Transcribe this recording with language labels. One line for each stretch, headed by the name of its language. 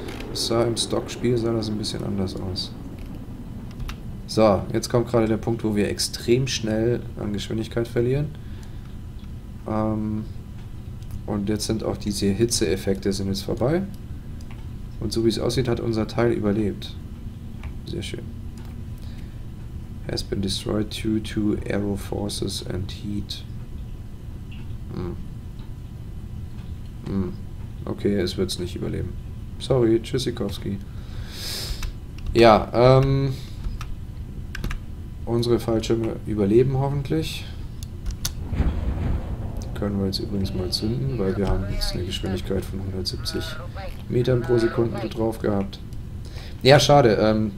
German: Das sah im Stock-Spiel sah das ein bisschen anders aus. So, jetzt kommt gerade der Punkt, wo wir extrem schnell an Geschwindigkeit verlieren. Und jetzt sind auch diese Hitzeeffekte sind jetzt vorbei. Und so wie es aussieht, hat unser Teil überlebt. Sehr schön.
English: Has been destroyed due to aero forces and heat.
German: Okay, es wird es nicht überleben. Sorry, Tschüssikowski. Ja, unsere Fallschirme überleben hoffentlich. Die können wir jetzt übrigens mal zünden, weil wir haben jetzt eine Geschwindigkeit von 170 Metern pro Sekunde drauf gehabt. Ja, schade.